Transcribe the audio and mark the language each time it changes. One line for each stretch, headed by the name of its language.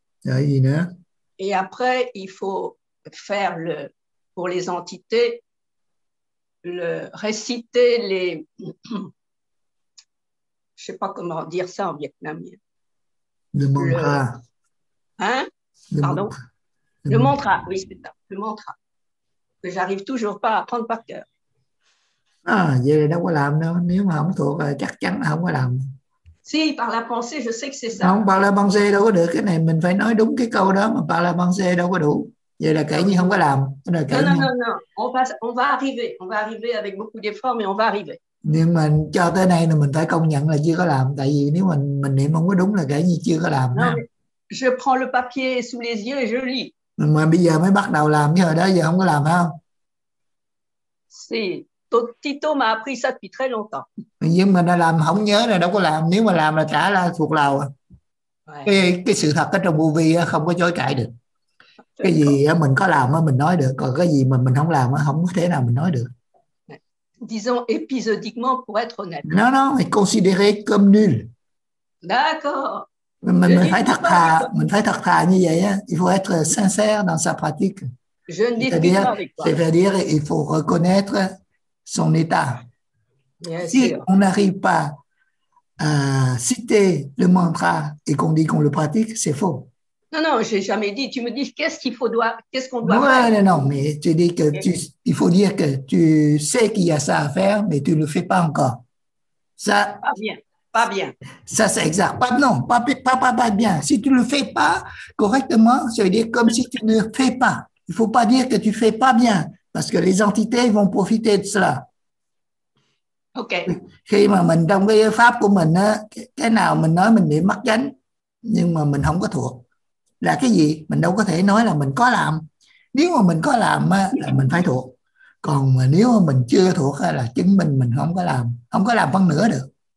French: Et après, il faut faire pour les entités, réciter les, je sais pas comment dire ça en vietnamien. Le mantra. Le mantra, oui, c'est ça, le mantra. Que j'arrive toujours pas à apprendre par cœur.
Vietnamese: À, vậy là đâu có làm đâu, nếu mà không thuộc rồi chắc chắn không có làm.
French: Si, par la pensée, je sais que c'est ça.
Vietnamese: Không,
French: par la pensée
Vietnamese: đâu có được, cái này mình phải nói đúng cái câu đó mà par la pensée đâu có đủ. Vậy là kể như không có làm.
French: Non, non, non, non, on va arriver avec beaucoup d'efforts, mais on va arriver.
Vietnamese: Nhưng mà cho tới nay là mình phải công nhận là chưa có làm, tại vì nếu mình niệm không có đúng là kể như chưa có làm.
French: Non, je prends le papier sous les yeux et je lis.
Vietnamese: Mình mà bây giờ mới bắt đầu làm, chứ hồi đó giờ không có làm phải không?
French: Si. Tito m'a appris ça depuis très longtemps.
Vietnamese: Nhưng mà nó làm không nhớ là đâu có làm. Nếu mà làm là trả là thuộc lầu. Cái sự thật ở trong vô vi không có chối cãi được. Cái gì mình có làm mình nói được. Còn cái gì mà mình không làm không có thể nào mình nói được.
French: Disons épisodiquement pour être honnête. Non, non, mais considéré comme nul. D'accord. Mình phải thật thà. Mình phải thật thà như vậy. Il faut être sincère dans sa pratique. Je ne discute pas avec toi. C'est-à-dire, il faut reconnaître son état. Bien si sûr. On n'arrive pas à citer le mantra et qu'on dit qu'on le pratique, c'est faux. Non, non, je n'ai jamais dit. Tu me dis qu'est-ce qu'on doit faire. Non, mais tu dis que il faut dire que tu sais qu'il y a ça à faire, mais tu ne le fais pas encore. Ça, pas bien. Ça, c'est exact. Pas bien. Si tu ne le fais pas correctement, ça veut dire comme si tu ne le fais pas. Il ne faut pas dire que tu ne fais pas bien, parce que les entités vont profiter de cela. OK.
Vietnamese: Khi mà mình đồng ý pháp của mình, cái nào mình nói mình bị mắc chánh, nhưng mà mình không có thuộc. Là cái gì? Mình đâu có thể nói là mình có làm. Nếu mà mình có làm là mình phải thuộc. Còn mà nếu mà mình chưa thuộc là chứng minh mình không có làm. Không có làm phân nửa được.